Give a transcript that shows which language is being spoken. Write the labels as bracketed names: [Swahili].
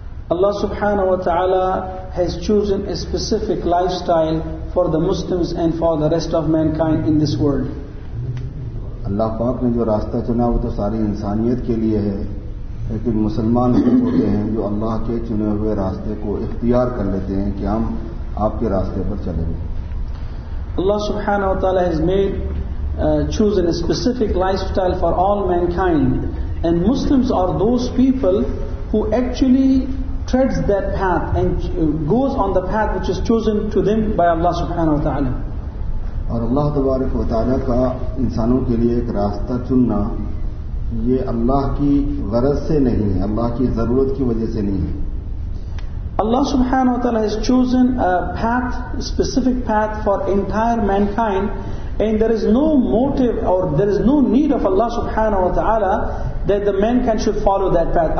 [English] Allah subhanahu wa ta'ala has chosen a specific lifestyle for the Muslims and for the rest of mankind in this world. [Urdu] اللہ پاک نے جو راستہ چنا وہ تو ساری انسانیت کے لیے ہے، لیکن مسلمان لوگ ہوتے ہیں جو اللہ کے چنے ہوئے راستے کو اختیار کر لیتے ہیں کہ ہم آپ کے راستے پر چلیں گے. [English] اللہ سبحانہ و تعالی has made chosen a specific lifestyle for all mankind, and Muslims are those people who actually treads that path and goes on the path which is chosen to them by Allah سبحانہ و تعالی. [Urdu] اور اللہ تبارک و تعالیٰ کا انسانوں کے لیے ایک راستہ چننا، یہ اللہ کی غرض سے نہیں ہے، اللہ کی ضرورت کی وجہ سے نہیں ہے. [English] اللہ سبحانہ و تعالیٰ has chosen a path, specific path for entire mankind, and there is no motive or there is no need of Allah سبحانہ و تعالیٰ that the mankind should follow that path.